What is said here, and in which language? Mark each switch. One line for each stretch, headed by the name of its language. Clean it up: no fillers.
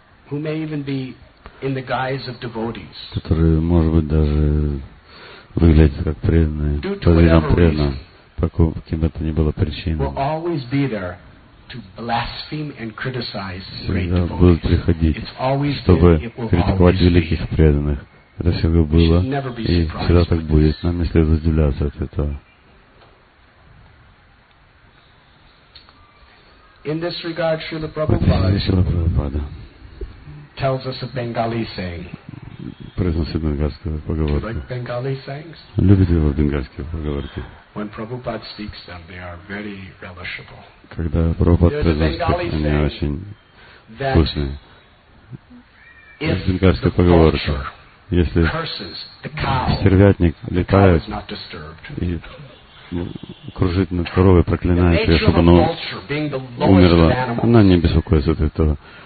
English: who may even be in the guise of devotees,
Russian: которые, может быть, даже выглядят как преданные, по видам преданным, по каким бы то ни было причинам, всегда будут приходить, чтобы критиковать великих преданных. Это всегда было, и всегда так будет. Нам не следует удивляться от этого.
English: In this regard, Srila Prabhupada tells us a Bengali saying.
Russian: Произносит бенгальскую поговорку. Любите его бенгальские поговорки?
English: When Prabhupada speaks them, they are very relishable.
Russian: Когда Прабхупад произносит, они очень вкусные. Это бенгальская поговорка. Если стервятник летает и кружит над коровой, проклинает ее, чтобы она умерла, она не беспокоится от этого.